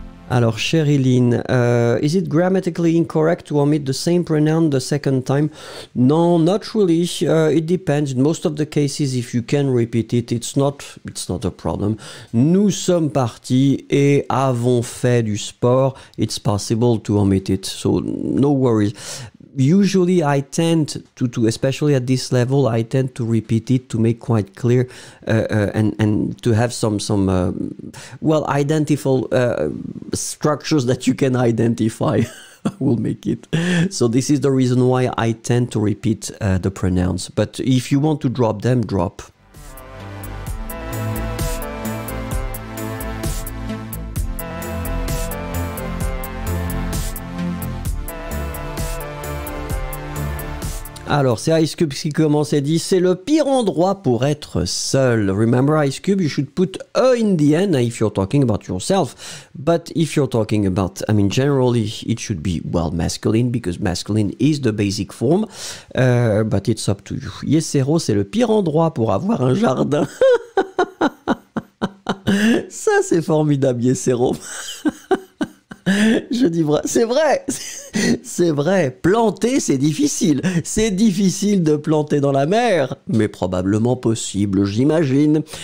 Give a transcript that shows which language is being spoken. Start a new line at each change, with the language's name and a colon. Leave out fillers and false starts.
English: Alors, chère Eileen, is it grammatically incorrect to omit the same pronoun the second time? Non, not really. It depends. In most of the cases, if you can repeat it, it's not a problem.
French: Nous sommes partis et avons fait du sport.
English: It's possible to omit it, so no worries. Usually, I tend to, especially at this level, I tend to repeat it to make quite clear and to have some identifiable structures that you can identify. We'll make it. So this is the reason why I tend to repeat the pronouns. But if you want to drop them, drop.
French: Alors, c'est Ice Cube qui commence et dit « C'est le pire endroit pour être seul. »
English: Remember, Ice Cube, you should put « E » in the end if you're talking about yourself. But if you're talking about, I mean, generally, it should be, well, masculine, because masculine is the basic form. But it's up to you.
French: « Yesero, c'est le pire endroit pour avoir un jardin. » Ça, c'est formidable, Yesero. Je dis vrai, c'est vrai, c'est vrai, planter c'est difficile de planter dans la mer, mais probablement possible, j'imagine.